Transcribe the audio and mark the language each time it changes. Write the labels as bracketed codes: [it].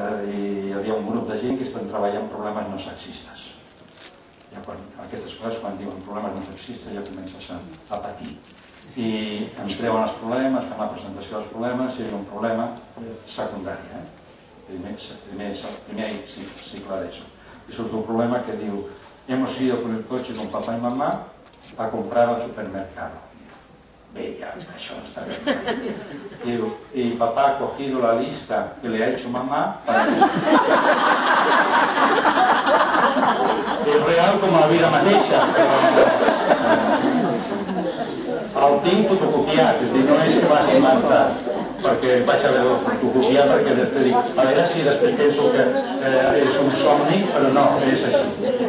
[ca] I hi havia un grup de gent que estan treballant problemes no sexistes. Aquestes coses, quan diuen problemes no sexistes, ja comences a patir. I em treuen els problemes, fan la presentació dels problemes, i hi ha un problema secundari. Primer cicle d'ESO. I surt un problema que diu [es] hemos ido con el coche con papá y mamá a comprar al supermercado. [ca] Bé, ja, això no està bé. Diu, i [es] papá ha cogido la lista que le ha hecho mamá para... [ca] És real com la vida mateixa. El tinc fotocopiat, és a dir, no és que vagi inventat, perquè vaig haver de fotocopiar, perquè després dic, a veure si després penso que és un somni, però no, és així.